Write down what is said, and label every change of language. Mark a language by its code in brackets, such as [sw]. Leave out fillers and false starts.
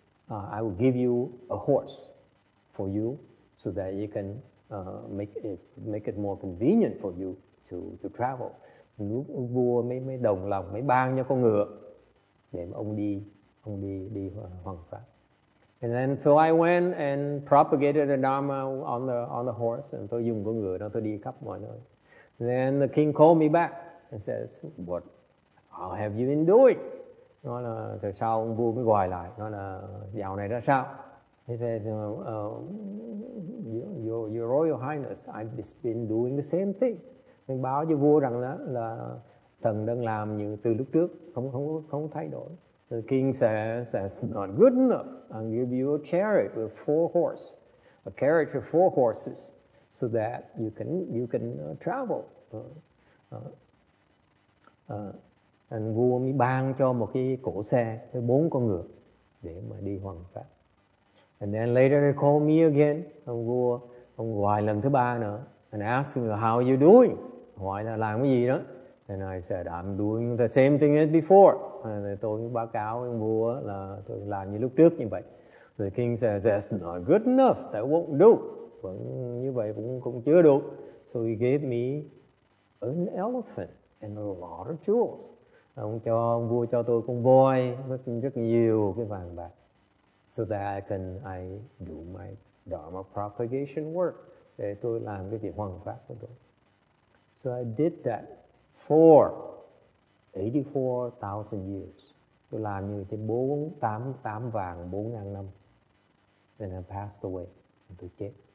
[en] I will give you a horse for you so that you can make it more convenient for you to travel. [vi] Lúc vua mới đồng lòng, mới ban cho con ngựa để mà ông đi hoằng pháp. [en] And then so I went and propagated the Dharma on the horse, and [vi] tôi dùng con ngựa đó tôi đi khắp mọi nơi. [en] Then the king called me back and says, what have you been doing? [vi] Nói là từ sau ông vua mới gọi lại, nói là dạo này đã sao? [en] He said, your Royal Highness, I've been doing the same thing. [vi] Mình báo cho vua rằng là thần đang làm như từ lúc trước, không thay đổi. [en] The king says, not good enough. I'll give you a chariot with four horses, a carriage of four horses, so that you can travel. [vi] Anh vua mới ban cho một cái cỗ xe với bốn con ngựa để mà đi hoàng pháp. [en] And then later he called me again. [vi] Ông vua, ông gọi lần thứ ba nữa. [en] And asked me, how are you doing? [vi] Hỏi là làm cái gì đó. [en] And I said, I'm doing the same thing as before. [vi] And tôi báo cáo ông vua là tôi làm như lúc trước như vậy. [en] The king said, that's not good enough. That won't do. [vi] Vẫn như vậy cũng chưa đủ. [en] So he gave me an elephant and a lot of jewels. [vi] Ông vua cho tôi con voi với rất nhiều cái vàng bạc. [en] So that I can do my Dharma propagation work. [vi] Để tôi làm cái việc hoằng pháp của tôi. [en] So I did that for 84,000 years. [vi] Tôi làm như thế 48 vàng 4,000 năm. [en] Then I passed away. [vi] Tôi chết.